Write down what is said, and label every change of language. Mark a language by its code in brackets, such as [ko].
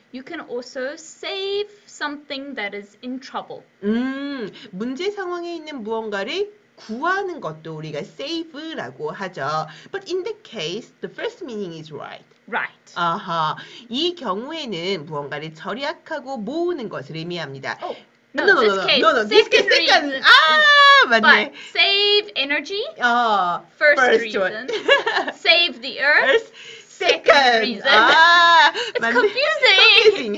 [en] You can also save something that is in trouble. [ko] 문제 상황에 있는 무언가를 구하는 것도 우리가 save라고 하죠. [en] But in the case, the first meaning is right. Right. 아하. [ko] 이 경우에는 무언가를 절약하고 모으는 것을 의미합니다. [en] Oh. No, this case. Second. But save energy. First reason. Save the earth. Second reason. It's confusing.